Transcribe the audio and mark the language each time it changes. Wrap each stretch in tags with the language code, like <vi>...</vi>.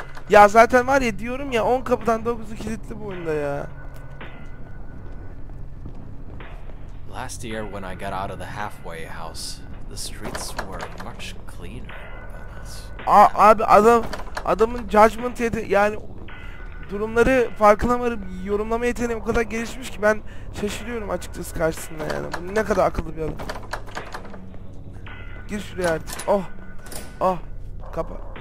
<tr>Ya zaten var ya diyorum ya 10 kapıdan 9'u kilitli bu oyunda ya.</tr> <en>Last year when I got out of the halfway house, the streets were much cleaner.</en> <tr>Abi adamın judgment yani durumları farkına varıp yorumlama yeteneği o kadar gelişmiş ki ben şaşırıyorum açıkçası karşısında yani. Bu ne kadar akıllı bir adam. Gir şuraya artık. Oh. Oh. Kapa.</tr>